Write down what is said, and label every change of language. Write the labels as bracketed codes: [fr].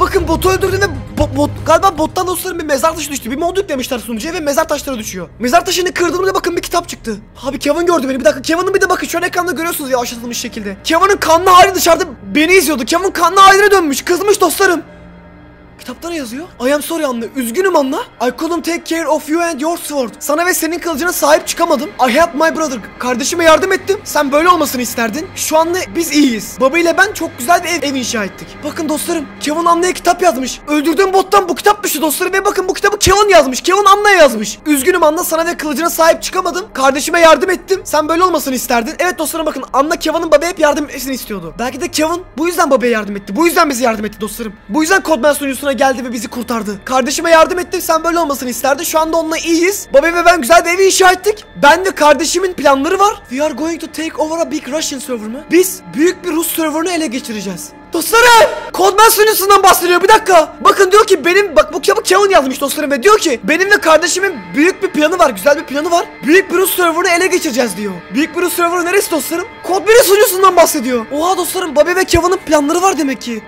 [tr] Bakın botu öldürdüğünde galiba bottan dostlarım bir mezar taşı düştü. Bir mod yüklemişler sunucuya ve mezar taşları düşüyor. Mezar taşını kırdığımda bakın bir kitap çıktı. Abi Kevin gördü beni. Bir dakika. Kevin'in bir de bakın şöyle ekranda görüyorsunuz ya, aşatılmış şekilde. Kevin'in kanlı hali dışarıda beni izliyordu. Kevin kanlı haline dönmüş. Kızmış dostlarım. Kitapta ne yazıyor? [en] I am sorry Anna. [tr] Üzgünüm Anna. [en] I couldn't take care of you and your sword. [tr] Sana ve senin kılıcına sahip çıkamadım. [en] I helped my brother. [tr] Kardeşime yardım ettim. Sen böyle olmasını isterdin. Şu anda biz iyiyiz. Baba ile ben çok güzel bir ev inşa ettik. Bakın dostlarım. Kevin Anna'ya kitap yazmış. Öldürdüğüm bottan bu kitapmış dostlarım. Ve bakın bu kitabı Kevin yazmış. Kevin Anna'ya yazmış. Üzgünüm Anna. Sana ve kılıcına sahip çıkamadım. Kardeşime yardım ettim. Sen böyle olmasını isterdin. Evet dostlarım bakın. Anna Kevin'in babaya hep yardım etmesini istiyordu. Belki de Kevin bu yüzden babaya yardım etti. Bu yüzden bize yardım etti dostlarım. Bu yüzden Codman sunucusuna geldi ve bizi kurtardı. Kardeşime yardım etti. Sen böyle olmasını isterdin. Şu anda onunla iyiyiz. Babam ve ben güzel bir evi inşa ettik. Ben ve kardeşimin planları var. [en] We are going to take over a big Russian server [tr] mı? Biz büyük bir Rus serverını ele geçireceğiz. Dostlarım! Codman sunucusundan bahsediyor. Bir dakika. Bakın diyor ki benim, bak bu kitabı Kevin yazmış dostlarım ve diyor ki benim ve kardeşimin büyük bir planı var. Güzel bir planı var. Büyük bir Rus serverını ele geçireceğiz diyor. Büyük bir Rus serverı neresi dostlarım? Codman sunucusundan bahsediyor. Oha dostlarım, Bobby ve Kevin'in planları var demek ki.